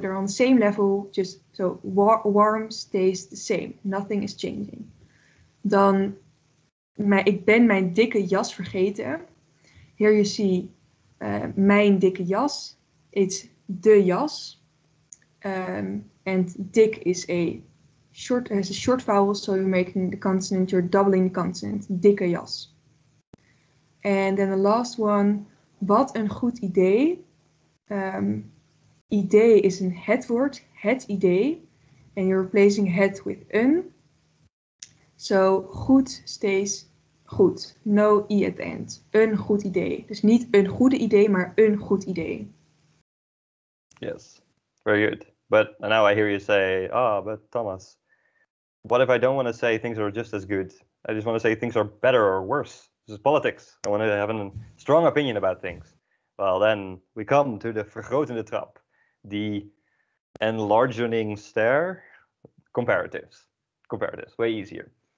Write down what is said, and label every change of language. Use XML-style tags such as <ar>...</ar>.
<en>They're on the same level, just so warm stays the same. Nothing is changing.</en> <nl>Dan ik ben mijn dikke jas vergeten.</nl> <en>Here you see</en> <nl>mijn dikke jas.</nl> <en>It's de jas. And dik is a short vowel, so you're making the consonant, you're doubling the consonant.</en> <nl>Dikke jas.</nl> <en>And then the last one.</en> <nl>Wat een goed idee. Idee is een het woord. Het idee.</nl> <en>And you're replacing het with een. So goed stays goed. No I at the end.</en> <nl>Een goed idee. Dus niet een goede idee, maar een goed idee.</nl> <en>Yes, very good. But now I hear you say, but Thomas, what if I don't want to say things are just as good? I just want to say things are better or worse. This is politics. I want to have a strong opinion about things. Well, then we come to the vergrotende trap, the enlarging stair, comparatives, way easier.</en>